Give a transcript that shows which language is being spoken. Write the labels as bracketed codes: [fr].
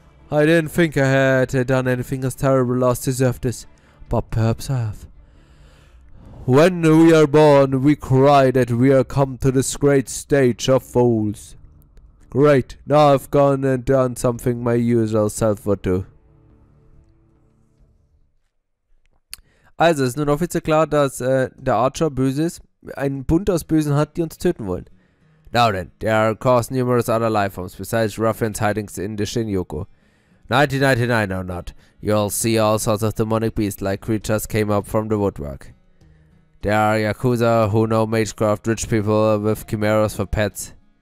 [en] I didn't think I had done anything as terrible as deserved this, but perhaps I have. When we are born, we cry that we are come to this great stage of fools. Great, now I've gone and done something my usual self would do. [de] Also, es ist nun offiziell klar, dass der Archer böse ist, einen Bund aus Bösen hat, die uns töten wollen. [en] Now then, there are of course numerous other lifeforms besides ruffians hiding in the Shinjuku. 1999 or not, you'll see all sorts of demonic beast-like creatures came up from the woodwork. There are Yakuza who know magecraft, rich people with chimeras for pets.